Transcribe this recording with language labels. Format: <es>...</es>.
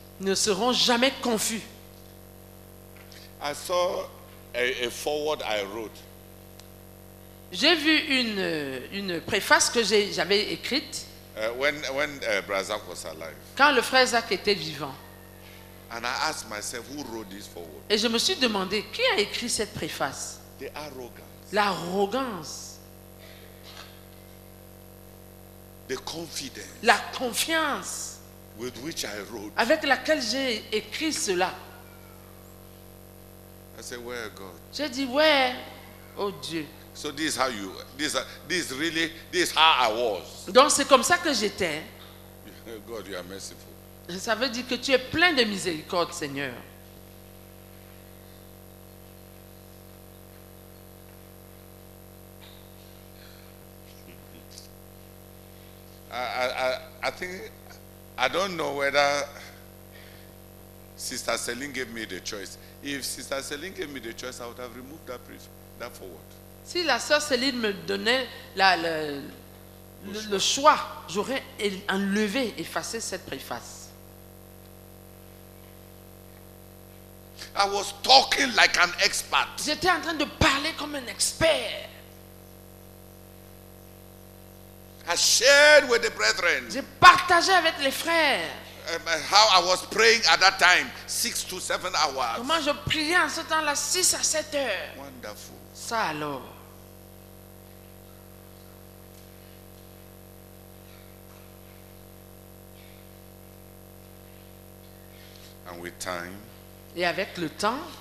<fr>Ne seront jamais confus.</fr> <en>I saw a foreword I wrote.</en> <fr>J'ai vu une préface que j'avais écrite quand le frère Zach était vivant.</fr> <en>And I asked myself, who wrote this foreword?</en> <fr>Et je me suis demandé, qui a écrit cette préface?</fr> <en>The arrogance.</en> <fr>L'arrogance.</fr> <en>The confidence.</en> <fr>La confiance.</fr> <en>With which I wrote.</en> <fr>Avec laquelle j'ai écrit cela.</fr> <en>I said, where God?</en> <fr>J'ai dit, where? Oh Dieu.</fr> <en>So this is how you. This is how I was.</en> <fr>Donc c'est comme ça que j'étais.</fr> <en>God, you are merciful.</en> <fr>Ça veut dire que tu es plein de miséricorde, Seigneur.</fr> <en>I think. I don't know whether Sister Celine gave me the choice. If Sister Celine gave me the choice, I would have removed that forward.</en> <fr>Si la sœur Céline me donnait le choix, j'aurais enlevé, effacé cette préface.</fr> <en>I was talking like an expert.</en> <fr>J'étais en train de parler comme un expert.</fr> <en>I shared with the brethren.</en> <fr>J'ai partagé avec les frères.</fr> <en>How I was praying at that time, 6 to 7 hours.</en> <fr>Comment je priais en ce temps-là, 6 à 7 heures.</fr> <en>Wonderful.</en> <fr>Ça alors.</fr> <en>And with time.</en> <fr>Et avec le temps.</fr>